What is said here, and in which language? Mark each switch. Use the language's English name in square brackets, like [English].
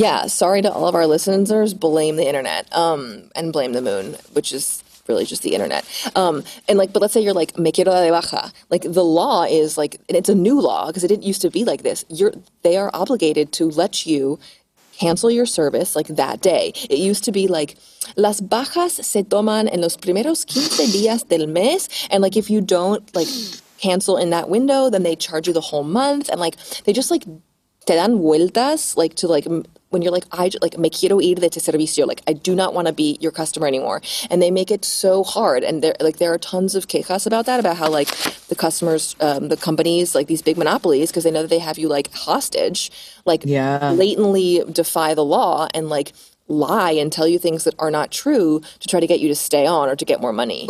[English] Sorry to all of our listeners, blame the internet and blame the moon, which is really just the internet. And like, but let's say you're like, [Spanish] me quiero de baja. [English] Like the law is like, and it's a new law because it didn't used to be like this. They are obligated to let you cancel your service like that day. It used to be like, [Spanish] las bajas se toman en los primeros 15 días del mes. [English] And like, if you don't like cancel in that window, then they charge you the whole month. And like, they just like, [Spanish] te dan vueltas, [English] like to like, when you're like, [Spanish] me quiero ir de este servicio, [English] like, I do not want to be your customer anymore. And they make it so hard. And there are tons of quejas about that, about how like the customers, the companies, like these big monopolies, because they know that they have you like hostage, like blatantly defy the law and like lie and tell you things that are not true to try to get you to stay on or to get more money.